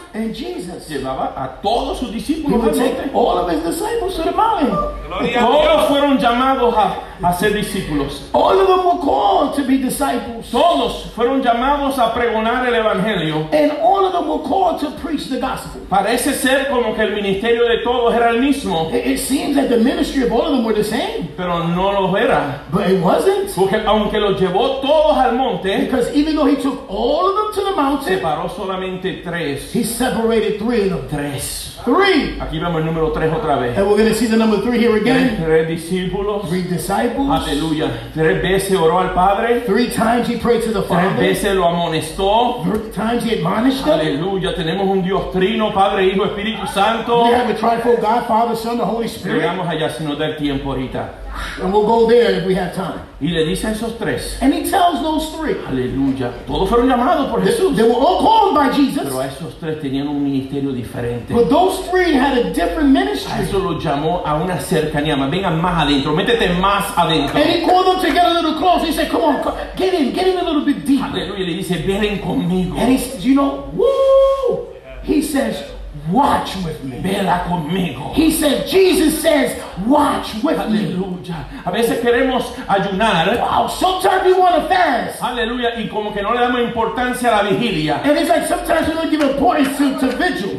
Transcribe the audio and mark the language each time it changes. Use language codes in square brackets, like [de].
[en] and Jesus, [es] llevaba a todos sus discípulos. [en] He would take all of his disciples to the mountain. [es] Todos fueron llamados a ser discípulos. [en] All of them were called to be disciples. [es] Todos fueron llamados a pregonar el evangelio. [en] And all of them were called to preach the gospel. [es] Parece ser como que el ministerio de todos era el mismo. [en] It seems that the ministry of all of them were the same. [es] Pero no lo era. [en] But it wasn't. [es] Porque aunque los llevó todos al monte, [en] because even though he took all of them to the mountain, [es] separó solamente tres. [en] He separated three of them. [es] Tres. [en] Three. [es] Aquí vemos el número tres otra vez. [en] And we're going to see the number three here again. [es] Tres discípulos. [en] Three disciples. [es] Aleluya. Tres veces oró al Padre. [en] Three times he prayed to the Father. [es] Tres veces lo amonestó. [en] Three times he admonished him. [es] Aleluya. Tenemos un Dios trino, Padre, Hijo, Espíritu Santo. [en] We have a trifold God, Father, Son, the Holy Spirit. [es] Llegamos allá si nos da el tiempo ahorita. [en] And we'll go there if we have time. [es] Y le dice a esos tres. [en] And he tells those three. [es] Aleluya. Todos fueron llamados por Jesús. [en] They were all called by Jesus. [es] Pero a esos tres tenían un ministerio diferente. [en] But those three had a different ministry. [es] A eso los llamó a una cercanía. Vengan más adentro. Métete más adentro. [en] And he called them to get a little closer. He said, come on, come, get in. Get in a little bit deep. [es] Aleluya. Le dice, vengan conmigo. [en] And he says, you know, woo. He says, watch with me. [es] Vela conmigo. [en] He said, Jesus says, watch with [es] me. Aleluya. A veces queremos ayunar. [en] Wow, sometimes we want to fast. [es] Aleluya. Y como que no le damos importancia a la vigilia. [en] And it's like sometimes we don't give importance to vigil.